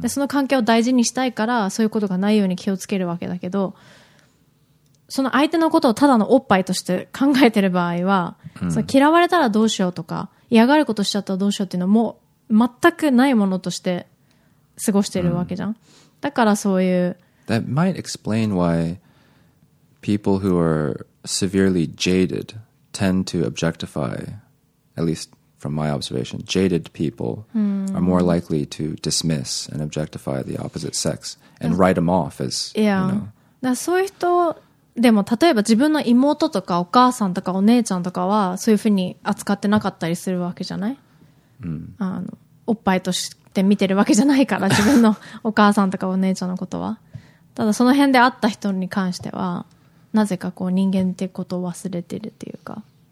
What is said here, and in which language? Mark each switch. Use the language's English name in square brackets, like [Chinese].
[Japanese] でその関係を大事にしたいから、そういうことがないように気をつけるわけだけど、その相手のことをただのおっぱいとして考えてる場合は、うん、その嫌われたらどうしようとか、嫌がることしちゃったらどうしようっていうのはもう全くないものとして過ごしてるわけじゃん。うん、だからそういう。 [English] That might explain why people who are severely jaded tend to objectify, at least from my observation, jaded people、うん、 are more likely to dismiss and objectify the opposite sex and write them off as, yeah. You know. [Japanese] だからそういう人、でも例えば自分の妹とかお母さんとかお姉ちゃんとかはそういうふうに扱ってなかったりするわけじゃない、うん、おっぱいとして見てるわけじゃないから自分のお母さんとかお姉ちゃんのことはただその辺で会った人に関してはなぜかこう人間ってことを忘れてるっていうか、